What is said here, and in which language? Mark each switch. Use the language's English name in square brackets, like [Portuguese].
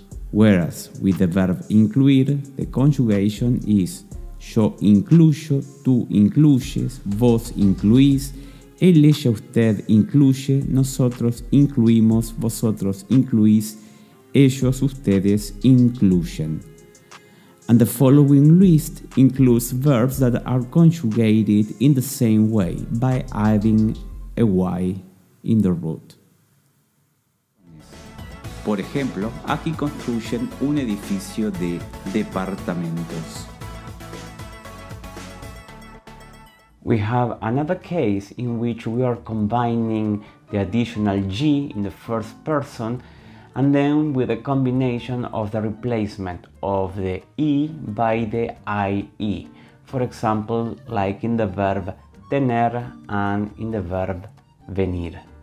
[English] Whereas with the verb incluir, the conjugation is [Spanish] yo incluyo, tú incluyes, vos incluís, él, ella, usted incluye, nosotros incluimos, vosotros incluís, ellos, ustedes incluyen. [English] And the following list includes verbs that are conjugated in the same way by adding a y in the root. [Spanish] Por ejemplo, aquí construyen un edificio de departamentos. [English] We have another case in which we are combining the additional G in the first person and then with a combination of the replacement of the E by the IE. For example, like in the verb tener and in the verb venir.